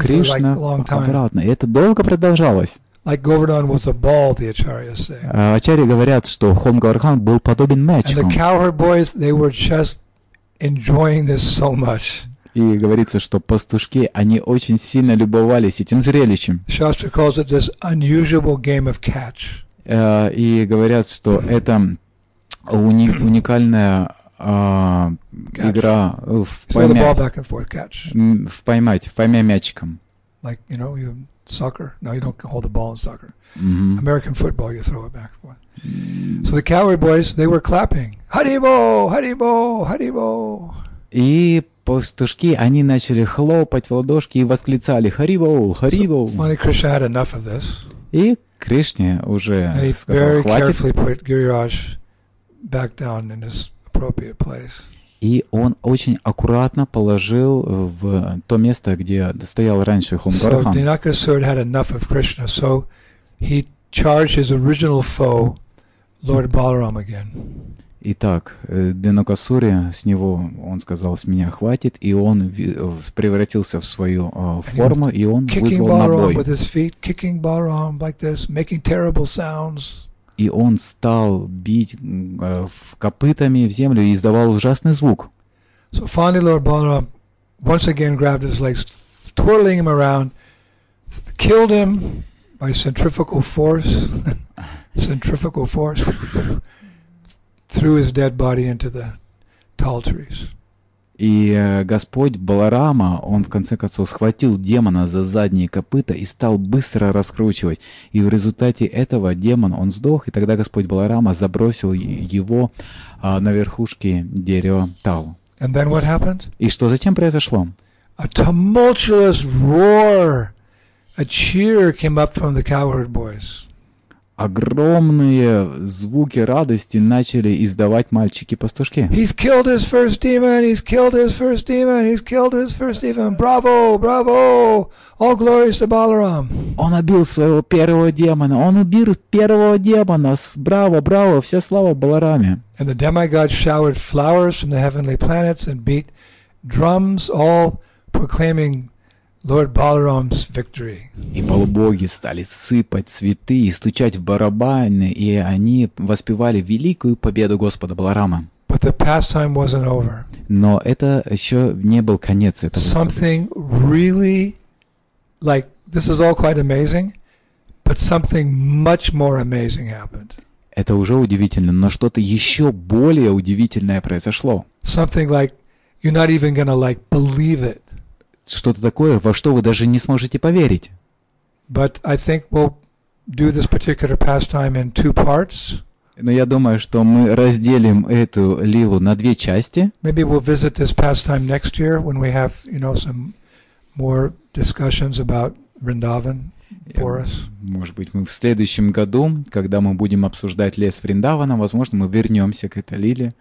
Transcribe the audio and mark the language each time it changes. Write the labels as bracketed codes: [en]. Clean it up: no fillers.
[ru] И Кришна обратно. И это долго продолжалось. [en] Like Govardhan was a ball, the acharyas say. [ru] Ачарьи говорят, что холм Говардхан был подобен мячику. [en] And the cowherd boys, they were just enjoying this so much. [ru] И говорится, что пастушки, они очень сильно любовались этим зрелищем. [en] Shastra calls it this unusual game of catch. [ru] И говорят, что это уникальная игра в поймать мячиком. [en] Like, you know, soccer. No, you don't hold the ball in soccer. Mm-hmm. American football, you throw it back. So the cowherd boys, they were clapping. [bn] Haribo, Haribo, Haribo. [ru] И пастушки, они начали хлопать в ладошки и восклицали Haribo, Haribo. [en] So finally, Krishna had enough of this. [ru] И Кришне уже сказал, хватит. [en] And he very carefully put Giriraj back down in his appropriate place. [ru] И он очень аккуратно положил в то место, где стоял раньше холм Говардхан. [en] So Dinakasura had enough of Krishna, so he charged his original foe, Lord Balaram, again. [ru] Итак, Динакасуре с него он сказал, с меня хватит, и он превратился в свою форму, и он вызвал на бой. [en] With his feet, kicking Balaram like this, making terrible sounds. [ru] И он стал бить копытами в землю и издавал ужасный звук. [en] So finally Lord Balaram once again grabbed his legs, twirling him around, killed him by centrifugal force. Centrifugal force threw his dead body into the tall trees. [ru] И Господь Баларама, он в конце концов схватил демона за задние копыта и стал быстро раскручивать. И в результате этого демон, он сдох, и тогда Господь Баларама забросил его на верхушке дерева Тал. [en] And then what happened? [ru] И что затем произошло? [en] A tumultuous roar, a cheer came up from the cowherd boys. [ru] Огромные звуки радости начали издавать мальчики-пастушки. [en] He's killed his first demon, he's killed his first demon, he's killed his first demon. Bravo, bravo! All glories to Balaram. [ru] Он убил своего первого демона. Он убил первого демона. Браво, браво! Вся слава Балараме. [en] And the demigod showered flowers from the heavenly planets and beat drums, all proclaiming Lord Balaram's victory. [ru] И полубоги стали сыпать цветы и стучать в барабаны, и они воспевали великую победу Господа Баларама. [en] But the pastime wasn't over. [ru] Но это еще не был конец этого события. [en] Something really, like, this is all quite amazing, but something much more amazing happened. [ru] Это уже удивительно, но что-то еще более удивительное произошло. [en] Something like, you're not even gonna like believe it. [ru] Что-то такое, во что вы даже не сможете поверить. [en] But I think we'll do this particular pastime in two parts. [ru] Но я думаю, что мы разделим эту лилу на две части. [en] Maybe we'll visit this pastime next year when we have, you know, some more discussions about Vrindavan for us. [ru] Может быть, мы в следующем году, когда мы будем обсуждать лес Вриндавана, возможно, мы вернемся к этой лиле.